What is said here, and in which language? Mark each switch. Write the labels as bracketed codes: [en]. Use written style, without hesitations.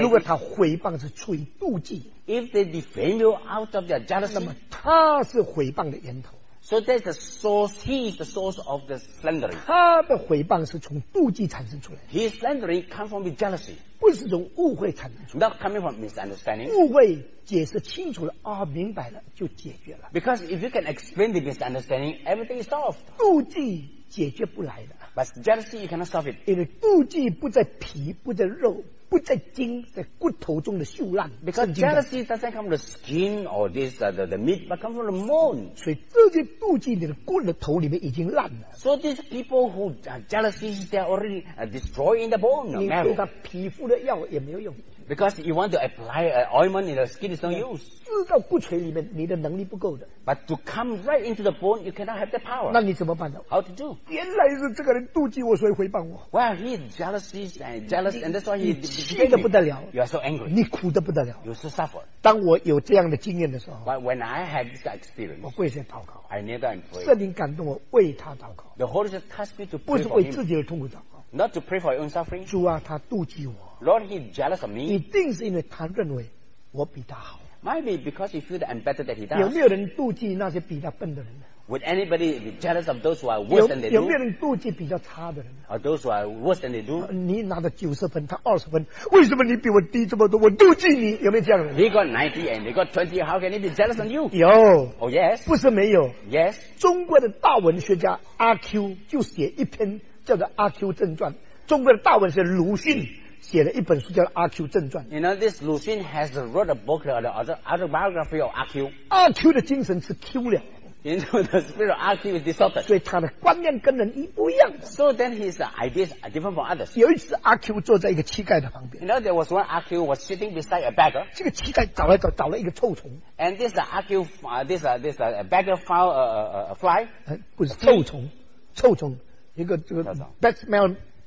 [zh] 如果他诽谤是出于妒忌。 [en] If they defend you out of their jealousy. [zh] 那么他是诽谤的源头。 [en] So that's the source. He is the source of the slandering. [zh] 他的诽谤是从妒忌产生出来的。 [en] His slandering comes from jealousy. [zh] 不是从误会产生出来。 [en] Not coming from misunderstanding. [zh] 误会解释清楚了，啊，明白了，就解决了。 [en] Because if you can explain the misunderstanding, everything is solved. [zh] 妒忌解决不来的。 [en] But jealousy, you cannot solve it. [zh] 因为妒忌不在皮，不在肉。不在筋，在骨头中的锈烂。 [en] Because jealousy doesn't come from the skin or this the meat, but come from the bone. [zh] 所以这些妒忌你的骨头里面已经烂了。 [en] So these people who jealousy, they are already destroyed in the bone. [zh] 你敷他皮肤的药也没有用。 [en] Because you want to apply ointment in the skin is no use. [zh] 刺到骨髓里面，你的能力不够的。 [en] But to come right into the bone, you cannot have the power. [zh] 那你怎么办呢？ [en] How to do? [zh] 原来是这个人妒忌我，所以诽谤我。 [en] Well, he is jealous, and that's why he. [zh] 气得不得了。 [en] You are so angry. [zh] 你苦得不得了。 [en] You so suffer. [zh] 当我有这样的经验的时候。 [en] But when I had this experience, [zh] 我跪下祷告。 [en] I kneel down and pray. [zh] 圣灵感动我，为他祷告。 [en] The Holy Spirit touched me to pray for him. [zh] 不是为自己的痛苦祷告。 [en] Not to pray for your own suffering. [zh] 主啊，他妒忌我。 [en] Lord, he's jealous of me. [zh] 一定是因为他认为我比他好。 [en] Might be because he feels that I'm better than he does. [zh] 有没有人妒忌那些比他笨的人？ [en] Would anybody be jealous of those who are worse than they do? [zh] 有没有人妒忌比较差的人？ [en] Or those who are worse than they do? [zh] 你拿到90分，他20分，为什么你比我低这么多？我妒忌你，有没有这样的人？ [en] He got 90 and they got 20. How can he be jealous of you? [zh] 有。 [en] Oh yes. [zh] 不是没有。 [en] Yes. [zh] 中国的大文学家阿 Q 就写一篇叫做《阿 Q 正传》，中国的大文学鲁迅。写了一本书叫《阿 Q 正传》。 [en] You know, this Lu Xun has wrote a book or the autobiography of 阿 Q. [zh] 阿 Q 的精神是 Q 了。 [en] You know, the spirit of 阿 Q is disordered. [zh] 所以他的观念跟人一不一样。 [en] So then his ideas are different from others. [zh] 有一次阿 Q 坐在一个乞丐的旁边。 [en] You know, there was one 阿 Q was sitting beside a beggar. [zh] 这个乞丐找来找，找了一个臭虫。 [en] And this 阿 Q, this a beggar found a fly. [zh] 不是臭虫，臭虫，一个这个 [en] bad smell。